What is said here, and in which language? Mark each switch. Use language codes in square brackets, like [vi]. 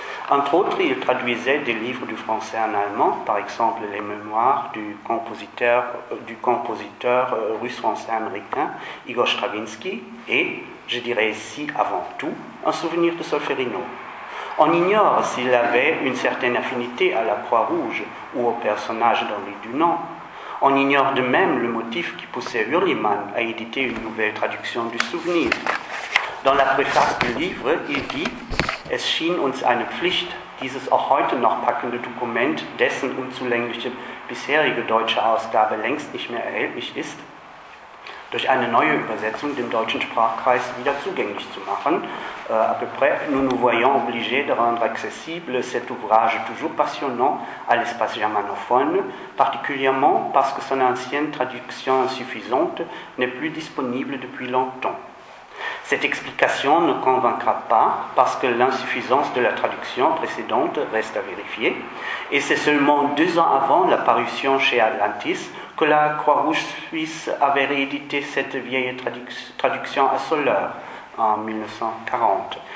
[fr] Entre autres, il traduisait des livres du français en allemand, par exemple les mémoires du compositeur russe-français-américain Igor Stravinsky et, je dirais ici avant tout, un souvenir de Solferino. On ignore s'il avait une certaine affinité à la Croix-Rouge ou au personnage d'Henri Dunant. On ignore de même le motif qui poussait Hürlimann à éditer une nouvelle traduction du souvenir. Dans la préface du livre, il dit [de] « Es schien uns eine Pflicht, dieses auch heute noch packende Dokument, dessen unzulängliche bisherige deutsche Ausgabe längst nicht mehr erhältlich ist, durch eine neue Übersetzung dem deutschen Sprachkreis wieder zugänglich zu machen. [fr] À peu près, nous nous voyons obligés de rendre accessible cet ouvrage toujours passionnant à l'espace germanophone, particulièrement parce que son ancienne traduction insuffisante n'est plus disponible depuis longtemps. Cette explication ne convaincra pas parce que l'insuffisance de la traduction précédente reste à vérifier et c'est seulement 2 ans avant la parution chez Atlantis que la Croix-Rouge suisse avait réédité cette vieille traduction à Soleure en 1940.